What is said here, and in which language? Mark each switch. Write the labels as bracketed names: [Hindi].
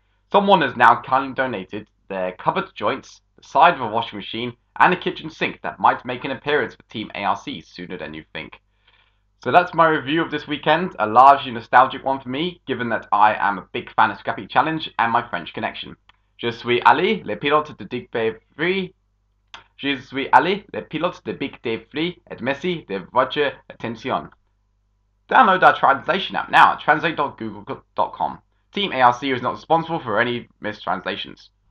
[English] Someone has now kindly donated their cupboard joints, the side of a washing machine, and a kitchen sink that might make an appearance for Team ARC sooner than you think. So that's my review of this weekend, a largely nostalgic one for me, given that I am a big fan of Scrappy Challenge and my French connection. [French] Je suis Ali, le pilote de Big Day Free. Je suis Ali, le pilote de Big Day Free, et merci de votre attention. [English] Download our translation app now at translate.google.com. Team ARC is not responsible for any mistranslations.